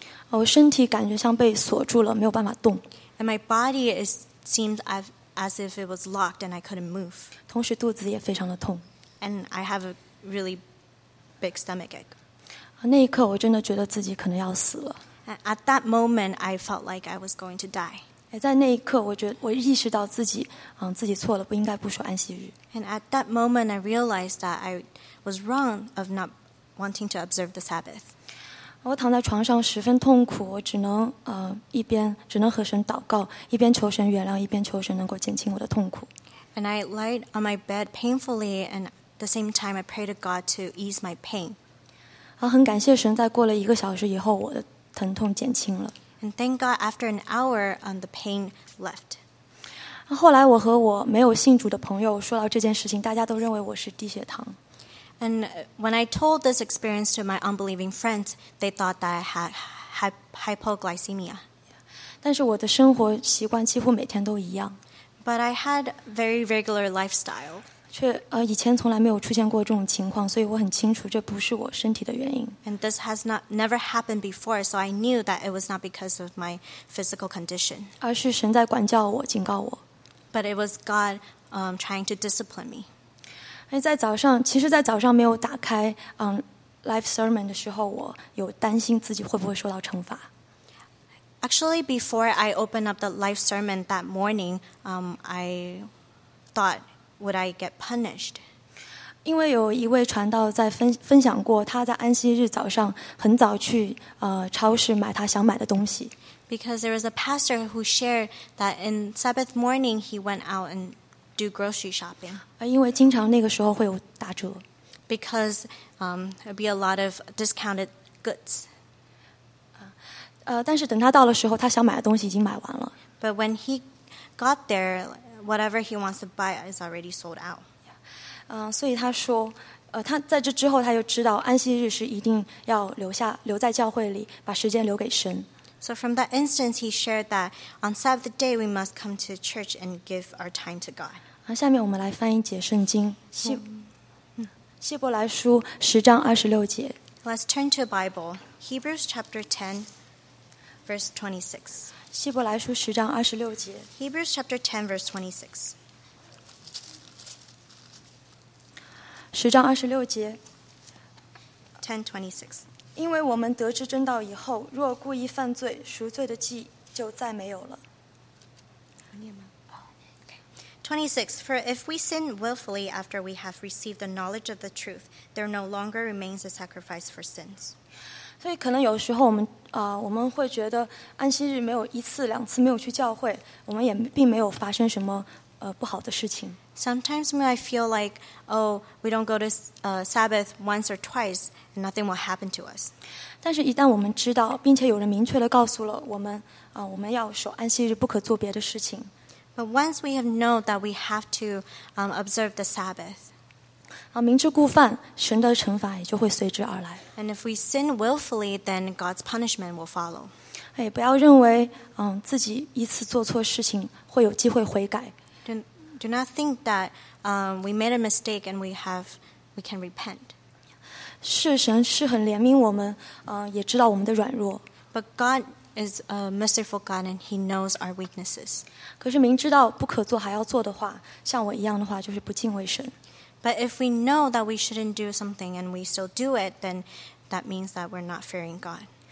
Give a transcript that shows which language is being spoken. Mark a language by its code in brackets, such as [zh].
[zh] 我身体感觉像被锁住了，没有办法动。 [en] And my body seemed as if it was locked, and I couldn't move. [zh] 同时肚子也非常的痛。 [en] And I have a really big stomach ache. [zh] 那一刻我真的觉得自己可能要死了。 [en] And at that moment, I felt like I was going to die. [zh] 在那一刻我意识到自己错了，不应该不守安息日。 [en] And at that moment, I realized that I was wrong of not wanting to observe the Sabbath. [zh] 我躺在床上十分痛苦，我只能和神祷告，一边求神原谅，一边求神能够减轻我的痛苦。 [en] And I laid on my bed painfully, and at the same time, I prayed to God to ease my pain. [zh] 很感谢神，在过了一个小时以后，我的疼痛减轻了。 [en] And thank God, after an hour, the pain left. [zh] 后来我和我没有信主的朋友说到这件事情，大家都认为我是低血糖。 [en] And when I told this experience to my unbelieving friends, they thought that I had hypoglycemia. [zh] 但是我的生活习惯几乎每天都一样。 [en] But I had very regular lifestyle. [zh] 却以前从来没有出现过这种情况，所以我很清楚这不是我身体的原因。 [en] And this has never happened before, so I knew that it was not because of my physical condition. [zh] 而是神在管教我，警告我。 [en] But it was God trying to discipline me. [zh] 在早上，其实在早上没有打开 [en] live sermon [zh] 的时候，我有担心自己会不会受到惩罚。 [en] Actually, before I opened up the live sermon that morning, I thought,Would I get punished? [zh] 因为有一位传道在分享过，他在安息日早上很早去超市买他想买的东西。 [en] Because there was a pastor who shared that in Sabbath morning he went out and do grocery shopping. [zh] 因为经常那个时候会有打折。 [en] Because there'd be a lot of discounted goods. [zh] 但是等他到的时候，他想买的东西已经买完了。 [en] But when he got there, whatever he wants to buy is already sold out. [zh] 所以他说，他在这之后他就知道安息日是一定要留在教会里，把时间留给神。 [en] So from that instance, he shared that on Sabbath day, we must come to church and give our time to God. [zh] 下面我们来翻一节圣经，希伯来书十章二十六节。 [en] Let's turn to Bible, Hebrews chapter 10, verse 26. [zh] 希伯来书十章二十六节。 [en] Hebrews chapter 10, verse 26. [zh] 十章二十六节。 [en] 10:26. [zh] 因为我们得知真道以后，若故意犯罪，赎罪的祭就再没有了。 [en] 26. For if we sin willfully after we have received the knowledge of the truth, there no longer remains a sacrifice for sins. [zh] 所以可能有时候我们会觉得安息日没有一次两次没有去教会，我们也并没有发生什么不好的事情。 [en] Sometimes I feel like, oh, we don't go to Sabbath once or twice, and nothing will happen to us. [zh] 但是一旦我们知道，并且有人明确地告诉了我们，我们要守安息日，不可做别的事情。 [en] But once we have known that we have to observe the Sabbath. [zh] 明知故犯，神的惩罚也就会随之而来。 [en] And if we sin willfully, then God's punishment will follow. [zh] 不要认为自己一次做错事情会有机会悔改。 [en] Do not think that we made a mistake and we can repent. [zh] 是神是很怜悯我们，也知道我们的软弱。 [en] But God is a merciful God and He knows our weaknesses. [zh] 可是明知道不可做还要做的话，像我一样的话，就是不敬畏神。 [en] But if we know that we shouldn't do something and we still do it, then that means that we're not fearing God.